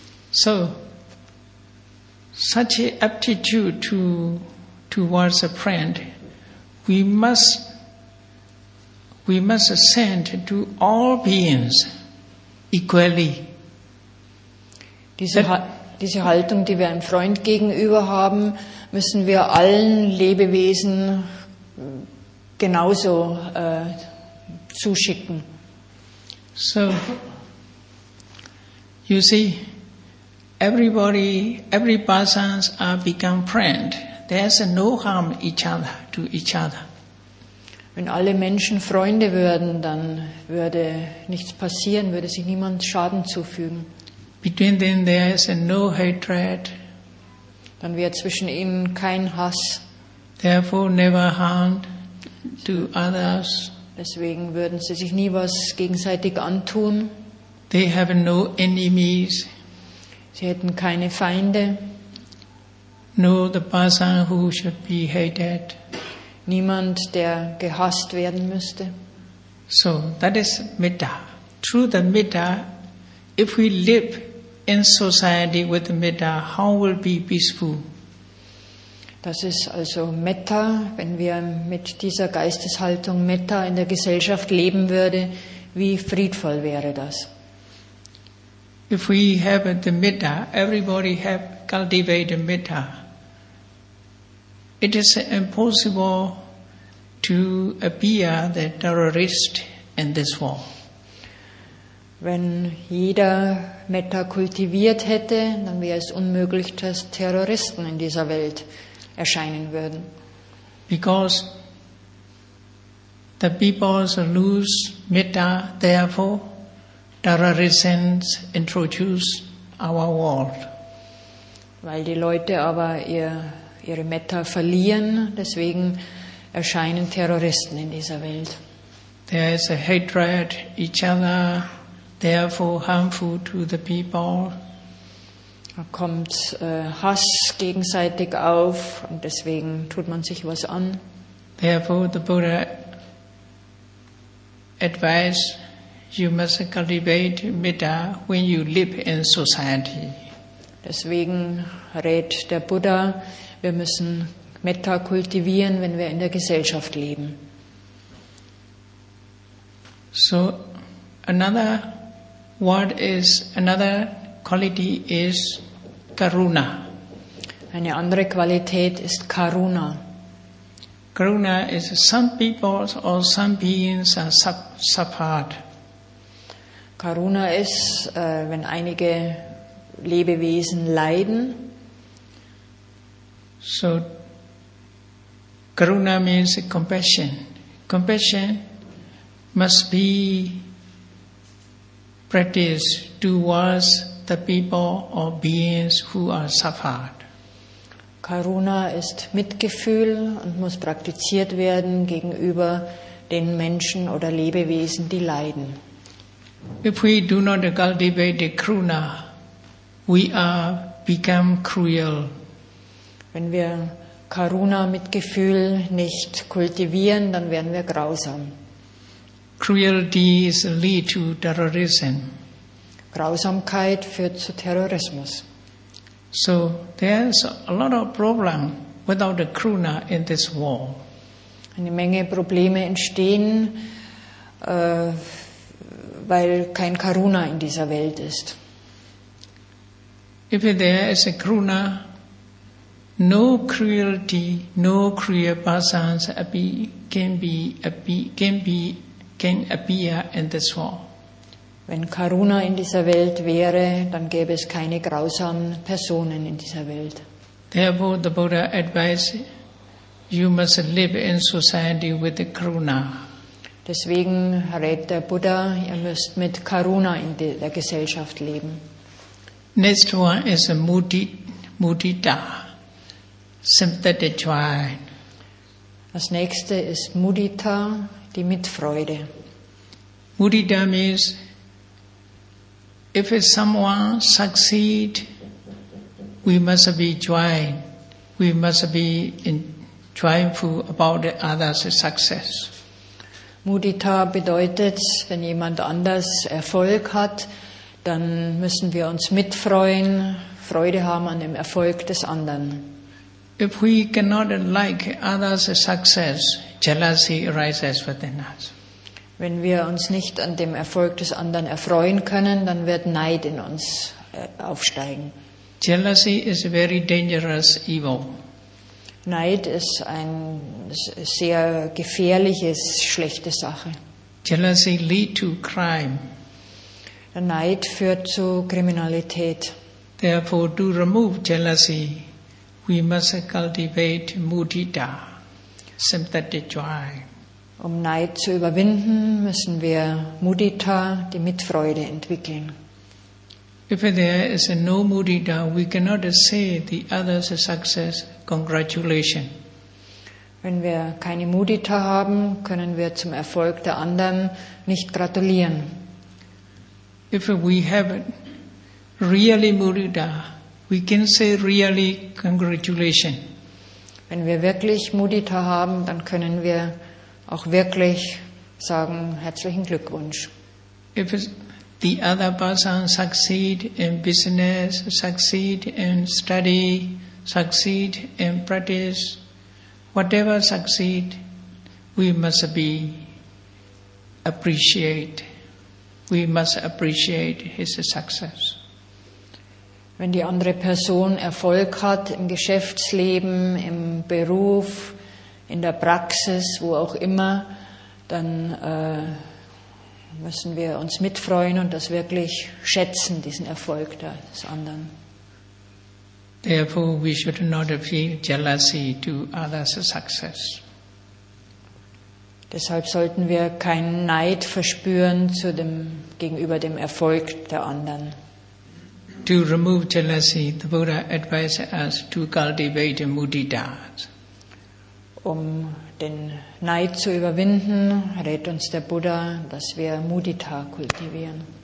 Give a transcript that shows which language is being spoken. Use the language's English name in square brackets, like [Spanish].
[English] So, such an aptitude towards a friend, we must send to all beings equally. [German] Diese Haltung, die wir einem Freund gegenüber haben, müssen wir allen Lebewesen genauso zuschicken. [English] So, you see, every person are become friend. There's no harm to each other. [German] Wenn alle Menschen Freunde würden, dann würde nichts passieren, würde sich niemand Schaden zufügen. [English] Between them there is no hatred. [German] Dann wäre zwischen ihnen kein Hass. [English] Therefore never harm to others. [German] Deswegen würden sie sich nie was gegenseitig antun. [English] They have no enemies. [German] Sie hätten keine Feinde. [English] No, the person who should be hated. [German] Niemand, der gehasst werden müsste. [English] So, that is metta. Through the metta, if we live in society with the metta, how will be peaceful? [German] Das ist also metta. Wenn wir mit dieser Geisteshaltung metta in der Gesellschaft leben würde, wie friedvoll wäre das? [English] If we have the metta, everybody have cultivated metta. It is impossible to appear the terrorist in this war. [German] Wenn jeder metta kultiviert hätte, dann wäre es unmöglich, dass Terroristen in dieser Welt erscheinen würden. [English] Because the peoples lose metta, therefore terrorism introduce our world. [German] Weil die Leute aber ihre Metta verlieren, deswegen erscheinen Terroristen in dieser Welt. [English] There is a hatred each other, therefore harmful to the people. [German] Da kommt Hass gegenseitig auf und deswegen tut man sich was an. [English] Therefore the Buddha advised, you must cultivate metta when you live in society. [German] Deswegen rät der Buddha, wir müssen Metta kultivieren, wenn wir in der Gesellschaft leben. [English] So, another quality is Karuna. [German] Eine andere Qualität ist Karuna. [English] Karuna is some people or some beings are suffered. [German] Karuna ist, wenn einige Lebewesen leiden. [English] So, Karuna means compassion. Compassion must be practiced towards the people or beings who are suffered. [German] Karuna ist Mitgefühl und muss praktiziert werden gegenüber den Menschen oder Lebewesen, die leiden. [English] If we do not cultivate the Karuna, we are become cruel. [German] Wenn wir Karuna mit Gefühl nicht kultivieren, dann werden wir grausam. [English] Cruelty is lead to terrorism. [German] Grausamkeit führt zu Terrorismus. [English] So there is a lot of problem without the Karuna in this war. [German] Eine Menge Probleme entstehen, weil kein Karuna in dieser Welt ist. [English] If there is a Karuna, No cruelty, no cruel persons can appear in this world. [German] Wenn Karuna in dieser Welt wäre, dann gäbe es keine grausamen Personen in dieser Welt. [English] Therefore, the Buddha advised, you must live in society with the Karuna. [German] Deswegen rät der Buddha, ihr müsst mit Karuna in der Gesellschaft leben. [English] Next one is a mudita, sympathetic joy. [German] Das nächste ist mudita, die Mitfreude. [English] Mudita means, if someone succeed, we must be joined. We must be joyful about the other's success. [German] Mudita bedeutet, wenn jemand anders Erfolg hat, dann müssen wir uns mitfreuen, Freude haben an dem Erfolg des anderen. [English] If we cannot like others' success, jealousy arises within us. [German] Wenn wir uns nicht an dem Erfolg des anderen erfreuen können, dann wird Neid in uns aufsteigen. [English] Jealousy is a very dangerous evil. [German] Neid ist ein sehr gefährliches, schlechte Sache. [English] Jealousy lead to crime. [German] Der Neid führt zu Kriminalität. [English] Therefore, to remove jealousy, we must cultivate mudita, sympathetic joy. [German] Um Neid zu überwinden, müssen wir mudita, die Mitfreude, entwickeln. [English] If there is no mudita, we cannot say the other's success. Congratulations. [German] Wenn wir keine Mudita haben, können wir zum Erfolg der anderen nicht gratulieren. [English] If we have really mudita, we can say really congratulations. [German] Wenn wir wirklich Mudita haben, dann können wir auch wirklich sagen herzlichen Glückwunsch. [English] If the other person succeed in business, succeed in study, succeed in practice, whatever succeed, we must appreciate his success. [German] Wenn die andere Person Erfolg hat im Geschäftsleben, im Beruf, in der Praxis, wo auch immer, dann müssen wir uns mitfreuen und das wirklich schätzen, diesen Erfolg des anderen. [English] Therefore, we should not feel jealousy to others' success. [German] Deshalb sollten wir keinen Neid verspüren zu dem, gegenüber dem Erfolg der anderen. [English] To remove jealousy, the Buddha advised us to cultivate mudita. [German] Um den Neid zu überwinden, rät uns der Buddha, dass wir mudita kultivieren.